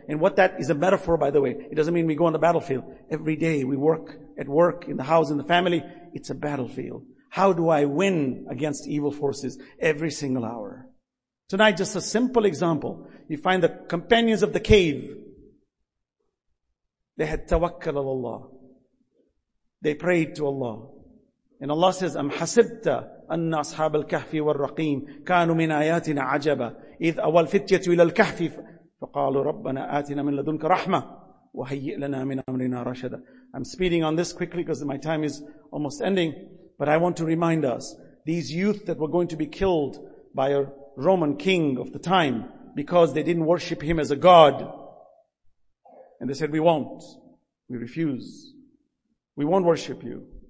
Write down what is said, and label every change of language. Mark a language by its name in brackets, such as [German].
[English] And what that is a metaphor, by the way. It doesn't mean we go on the battlefield. Every day we work at work, in the house, in the family. It's a battlefield. How do I win against evil forces every single hour? Tonight, just a simple example. You find the companions of the cave. They had tawakkal ala Allah. They prayed to Allah. [Arabic] And Allah says, أَمْ حَسِبْتَ أَنَّ أَصْحَابَ الْكَهْفِ وَالرَّقِيمِ كَانُوا مِنْ آيَاتِنَا عَجَبًا إِذْ أَوَى الْفِتْيَةُ إِلَى الْكَهْفِ فَقَالُوا رَبَّنَا آتِنَا مِنْ لَدُنْكَ رَحْمَةً وَهَيِّئْ لَنَا مِنْ أَمْرِنَا رَشَدًا. [English] I'm speeding on this quickly because my time is almost ending. But I want to remind us, these youth that were going to be killed by a Roman king of the time because they didn't worship him as a god. And they said, we won't. We refuse. We won't worship you.